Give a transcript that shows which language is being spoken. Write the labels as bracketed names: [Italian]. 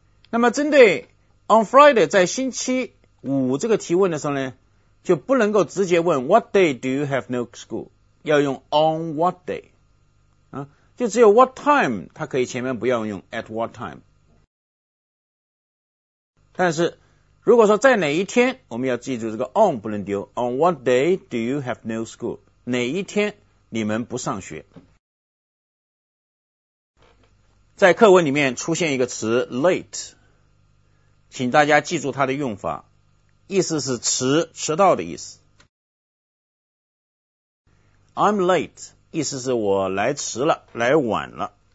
[Chinese] 那么针对 on Friday 在星期五这个提问的时候呢，就不能够直接问 [English] what day do you have no school? [Chinese] 要用 on what day、啊、就只有 what time 它可以前面不要用 [English] at what time。 [Chinese] 但是如果说在哪一天，我们要记住这个 on 不能丢。 [English] On what day do you have no school? [Chinese] 哪一天你们不上学。在课文里面出现一个词 late， 请大家记住它的用法，意思是迟，迟到的意思。 [English] I'm late, [Chinese] 意思是我来迟了，来晚了。